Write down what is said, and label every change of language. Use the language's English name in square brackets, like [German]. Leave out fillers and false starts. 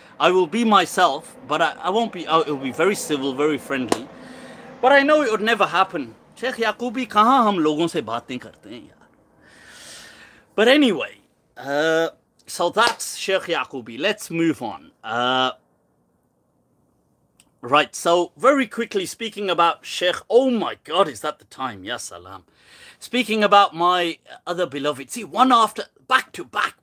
[English] I will be myself, but I won't be, oh, it will be very civil, very friendly. But I know it would never happen. [Urdu] Sheikh Yaqubi, کہاں ہم لوگوں سے باتیں کرتے ہیں یار. [English] But anyway, so that's Sheikh Yaqubi. Let's move on. Right, so very quickly, speaking about Sheikh, oh my God, is that the time? Yes, salam. Speaking about my other beloved, see, one after, back to back.